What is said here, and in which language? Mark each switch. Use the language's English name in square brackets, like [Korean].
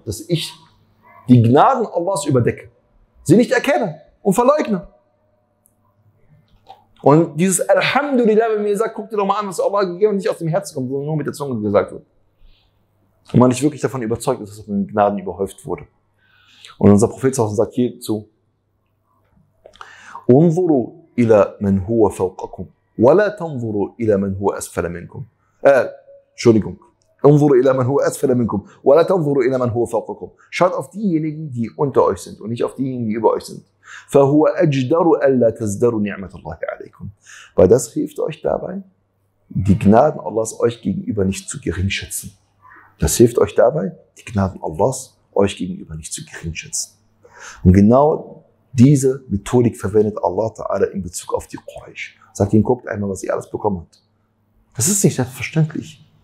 [German] Dass ich die Gnaden Allahs überdecke, sie nicht erkenne und verleugne. Und dieses Alhamdulillah, wenn mir sagt, guck dir doch mal an, was Allah gegeben hat, nicht aus dem Herzen kommt, sondern nur mit der Zunge gesagt wird. Und man nicht wirklich davon überzeugt ist, dass man mit Gnaden überhäuft wurde. Und unser Prophet sagt hierzu, [Arabic] انظروا إلى من هو فوقكم ولا تنظروا إلى من هو أسفل منكم. [German] Entschuldigung. [Arabic] انظروا إلى من هو أسفل منكم ولا تنظروا إلى من هو فوقكم. [German] Schaut auf diejenigen, die unter euch sind und nicht auf diejenigen, die über euch sind. [Arabic] فهو أجدر ألا تزدروا نعمة الله عليكم. [German] Weil das hilft euch dabei, die Gnaden Allahs euch gegenüber nicht zu geringschätzen. Das hilft euch dabei, die Gnaden Allahs euch gegenüber nicht zu geringschätzen. Und genau diese Methodik verwendet Allah Ta'ala in Bezug auf die Quraysh. Sagt ihnen, guckt einmal, was ihr alles bekommen habt. Das ist nicht selbstverständlich.